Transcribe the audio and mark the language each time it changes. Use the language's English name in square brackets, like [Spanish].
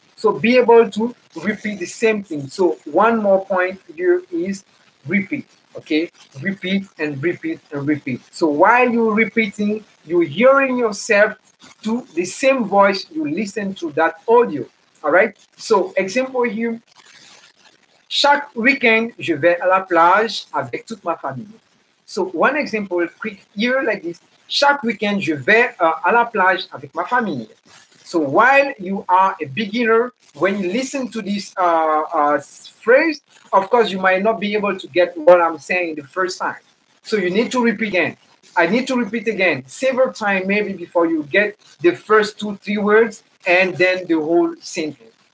[English] So be able to repeat the same thing. So one more point here is repeat, okay? Repeat and repeat and repeat. So while you're repeating, you're hearing yourself to the same voice you listen to that audio. All right, so example here. [French] Chaque weekend, je vais à la plage avec toute ma famille. [English] So one example, quick here like this. [French] Chaque weekend, je vais à la plage avec ma famille. [English] So while you are a beginner, when you listen to this phrase, of course, you might not be able to get what I'm saying the first time. So you need to repeat again. I need to repeat again several times maybe before you get the first two, three words, and then the whole sentence.